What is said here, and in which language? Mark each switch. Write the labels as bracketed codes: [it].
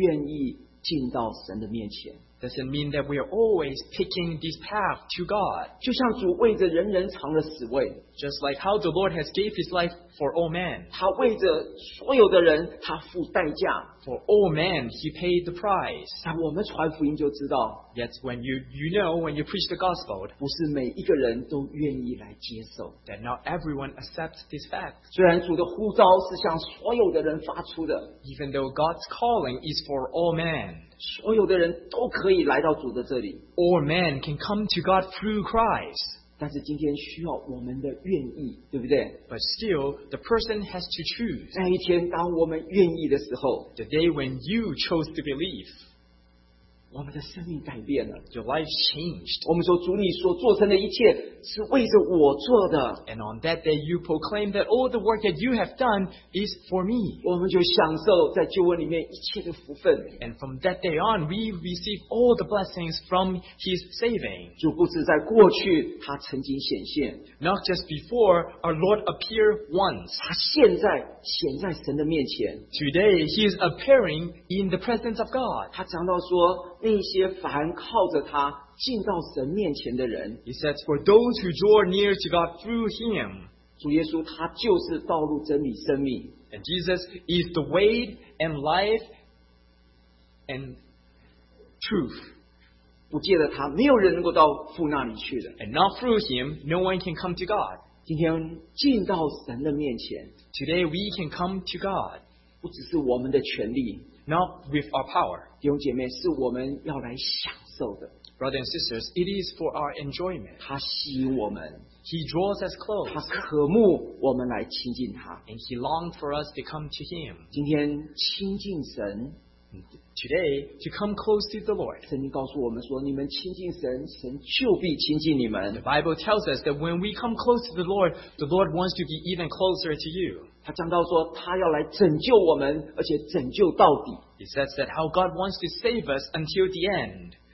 [zh] 并不表示说神的儿女都愿意进到神的面前。 [en] Doesn't mean that we are always picking this path to God. [zh] 就像主为着人人藏了死位, [en] just like how the Lord has gave His life for all men. [zh] 他为着所有的人, 他付代价, [en] for all men, He paid the price. [zh] 但我们传福音就知道, [en] yet when you know, when you preach the gospel, [zh] 不是每一个人都愿意来接受, [en] that not everyone accepts this fact. [zh] 虽然主的呼召是向所有的人发出的, [en] even though God's calling is for all men, [zh] 所有的人都可以来到主的这里, [en] all men can come to God through Christ. [zh] 但是今天需要我们的愿意, 对不对? [en] But still, the person has to choose. [zh] 那一天当我们愿意的时候, [en] the day when you chose to believe, [zh] 我们的生命改变了, [en] your life changed. [zh] 我们说主你所做成的一切是为着我做的, [en] and on that day you proclaim that all the work that you have done is for me. [zh] 我们就享受在救恩里面一切的福分, [en] and from that day on we receive all the blessings from His saving. [zh] 主不止在过去他曾经显现, [en] not just before our Lord appeared once, [zh] 他现在显在神的面前, [en] today He is appearing in the presence of God. [zh] 他讲到说, 那些凡靠着他进到神面前的人, [en] He says, for those who draw near to God through Him, [zh] 主耶稣他就是道路真理生命, [en] and Jesus is the way and life and truth. [zh] 不借着他没有人能够到父那里去的, [en] and not through Him, no one can come to God. [zh] 今天进到神的面前, [en] today we can come to God, [zh] 不只是我们的权利, [en] not with our power. [zh] 弟兄姐妹, [en] brothers and sisters, it is for our enjoyment. [zh] 他吸引我们, [en] He draws us close. And He longs for us to come to Him. [zh] 今天亲近神, [en] today, to come close to the Lord. [zh] 圣经告诉我们说, 你们亲近神, 神就必亲近你们。 [en] The Bible tells us that when we come close to the Lord wants to be even closer to you. [zh] 他讲到说他要来拯救我们, [en] He says that how God wants to save us until the end.